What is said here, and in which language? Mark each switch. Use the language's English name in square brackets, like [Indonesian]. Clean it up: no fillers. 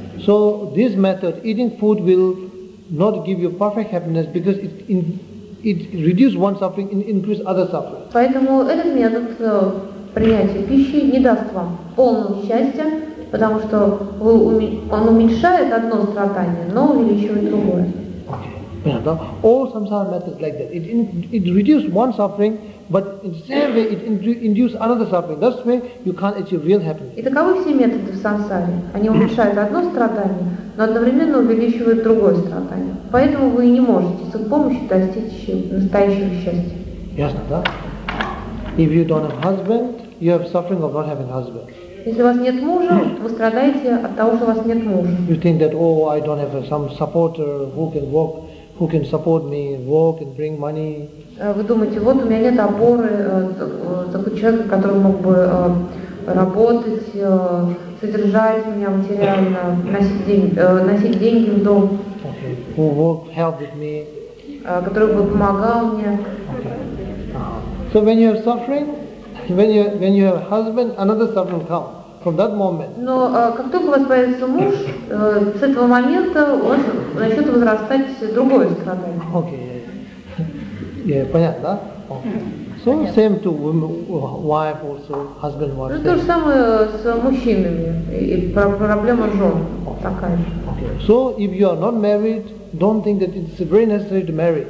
[English] So this method, eating food, will not give you perfect happiness because it reduces one suffering and increases other suffering. [Russian] Поэтому этот метод принятия пищи не даст вам полного счастья, потому что он уменьшает одно страдание, но увеличивает другое. [English] All samsara methods like that. It reduces one suffering, but in the same way it induces another suffering. That's why you can't achieve real happiness. [Russian] И таковы все методы в самсаре. Они уменьшают одно страдание, но одновременно увеличивают другое страдание. Поэтому вы не можете с их помощью достичь настоящего счастья. Ясно, да? [English] If you don't have husband, you have suffering of not having husband. [Russian] Если у вас нет мужа, вы страдаете от того, что у вас нет мужа. [English] You think that, oh, I don't have some supporter who can work. Who can support me, work and bring money? [Russian] Вы думаете, вот у меня нет опоры, такой человек, который мог бы работать, содержать меня материально, носить деньги в дом. [English] Okay. Who work, help with me? [Russian] Который бы помогал мне. [English] Okay. So when you have suffering, when you have a husband, another suffering comes. From that moment. [Russian] Но как только у вас появится муж, с этого момента у вас начнет возрастать другое страдание. [English] Okay. Yeah, [Russian] понятно, да? [English] Okay. So [Russian] понятно. [English] Same to women, wife also, husband, wife. [Russian] Ну то же самое с мужчинами. И проблема жен такая же. [English] Okay. So if you are not married, don't think that it's very necessary to marry.